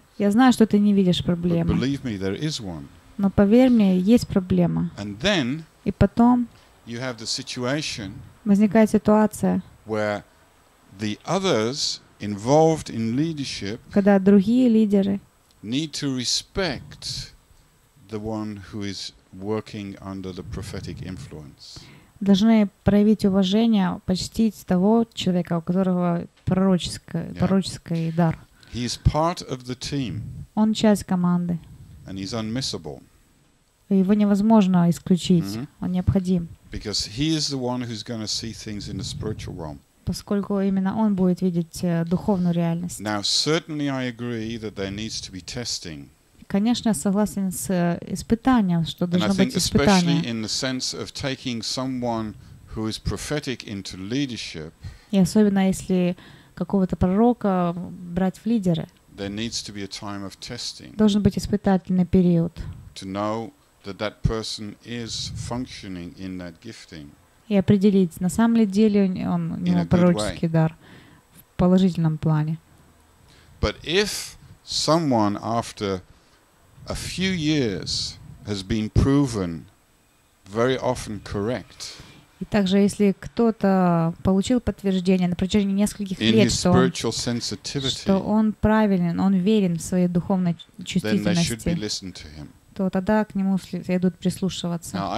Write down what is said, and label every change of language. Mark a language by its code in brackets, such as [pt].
[ru] Я знаю, что ты не видишь проблемы. [en] But believe me, there is one. [ru] Но поверь мне, есть проблема. [en] And then, [ru] и потом [en] you have the situation, [ru] возникает ситуация, [en] where the others involved in leadership, [ru] когда другие лидеры [en] need to respect the one who is working under the prophetic influence. [ru] Должны проявить уважение, почтить того человека, у которого пророческий дар. [en] He is part of the team. [ru] Он часть команды. [en] And he's unmissable. [ru] Его невозможно исключить. Mm-hmm. Он необходим. [en] Because he is the one who's going to see things in the spiritual realm. [ru] Поскольку именно он будет видеть духовную реальность. [en] Now, certainly I agree that there needs to be testing. [ru] Конечно, я согласен с испытанием, что должно быть испытание. [en] And I think especially in the sense of taking someone who is prophetic into leadership. [ru] И особенно если какого-то пророка брать в лидеры. [en] There needs to be a time of testing. [ru] Должен быть испытательный период. [en] To know that that person is functioning in that gifting. [ru] И определить, на самом ли деле он, у него пророческий дар в положительном плане. [en] But if someone after a few years has been proven very often correct. [ru] И также, если кто-то получил подтверждение на протяжении нескольких лет, что он правилен, он верен в своей духовной чувствительности, то тогда к нему следует прислушиваться.